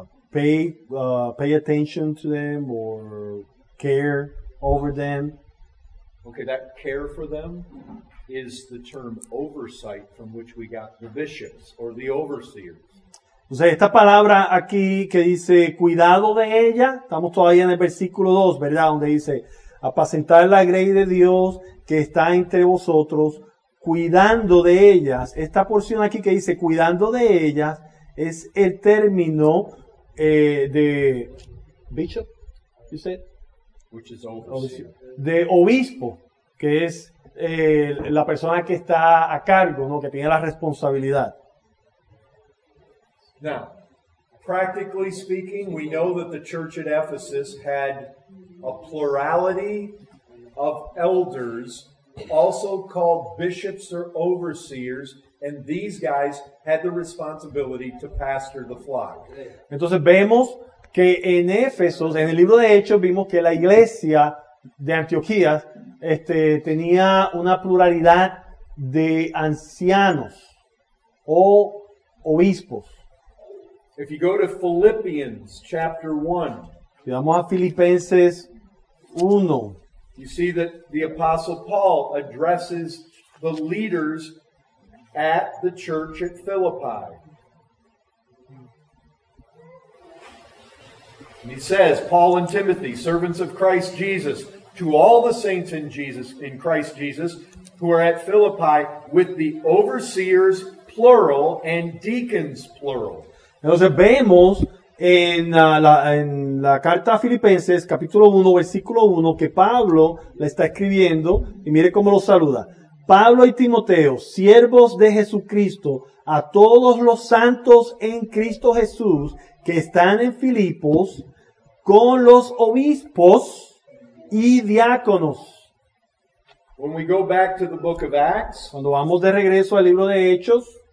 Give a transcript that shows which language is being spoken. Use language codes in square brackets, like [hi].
[en] Pay attention to them or care over them. Okay, that care for them is the term oversight from which we got the bishops or the overseers. [es] O sea, esta palabra aquí que dice cuidado de ella, estamos todavía en el versículo 2, ¿verdad? Donde dice apacentar la grey de Dios que está entre vosotros, cuidando de ellas. Esta porción aquí que dice cuidando de ellas es el término de [en] bishop, you said? Which is overseer. [es] De obispo, que es la persona que está a cargo, ¿no? Que tiene la responsabilidad. [en] Now, practically speaking, we know that the church at Ephesus had a plurality of elders, also called bishops or overseers, and these guys had the responsibility to pastor the flock. [es] Entonces vemos que en Éfesos, en el libro de Hechos, vimos que la iglesia de Antioquía tenía una pluralidad de ancianos o obispos. [en] If you go to Philippians chapter 1, [es] si vamos a Filipenses 1, [en] you see that the Apostle Paul addresses the leaders at the church at Philippi. And he says, Paul and Timothy, servants of Christ Jesus, to all the saints in Christ Jesus who are at Philippi with the overseers, plural, and deacons, plural. [es] Entonces vemos en la carta a Filipenses, capítulo 1, versículo 1, que Pablo le está escribiendo, y mire cómo lo saluda. Pablo y Timoteo, siervos de Jesucristo, a todos los santos en Cristo Jesús que están en Filipos, con los obispos y diáconos. [en] When we go back to the book of Acts, [es] cuando vamos de regreso al libro de Hechos,